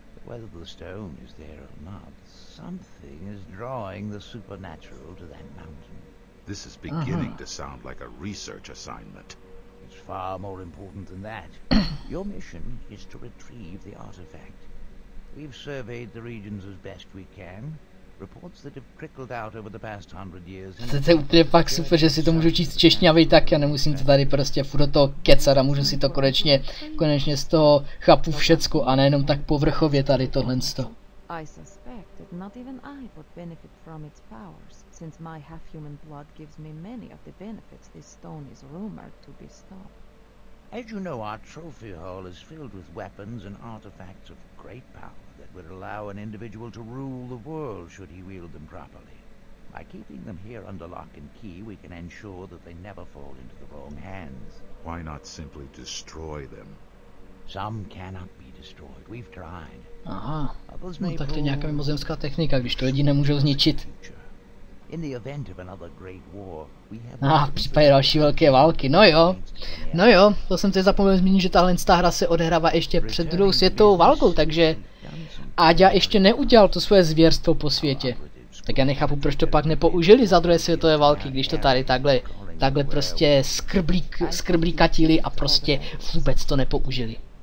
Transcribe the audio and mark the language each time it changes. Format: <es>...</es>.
<en>Whether the stone is there or not, something is drawing the supernatural to that mountain. This is beginning to sound like a research assignment. It's far more important than that. Your mission is to retrieve the artifact. We've surveyed the regions as best we can. Reports that have trickled out over the past 100 years.</en> <cs>To je úplně fakt super, že si to můžu číst češně a vy tak, já nemusím to tady prostě furt do toho kecat a můžu si to konečně z toho chápu všecko a nejenom tak povrchově tady tohle z toho.</cs> <en>I suspect that not even I would benefit from its powers, since my half-human blood gives me many of the benefits this stone is rumored to bestow. As you know, our trophy hall is filled with weapons and artifacts of great power. Would allow an individual to rule the world should he wield them properly. By keeping them here under lock and key, we can ensure that they never fall into the wrong hands. Why not simply destroy them? Some cannot be destroyed. We've tried.</en> <cs>Tak to je nějaká mimozemská technika, když to lidi nemůžou zničit.</cs> <en>In the event of another great war, we have</en> <cs>v případě další velké války. No jo, to jsem si zapomněl zmínit, že tahle hra se odehrává ještě před druhou světovou válkou, takže Áďa ještě neudělal to svoje zvěrstvo po světě. Tak já nechápu, proč to pak nepoužili za druhé světové války, když to tady takhle prostě skrblíkatili a prostě vůbec to nepoužili.</cs>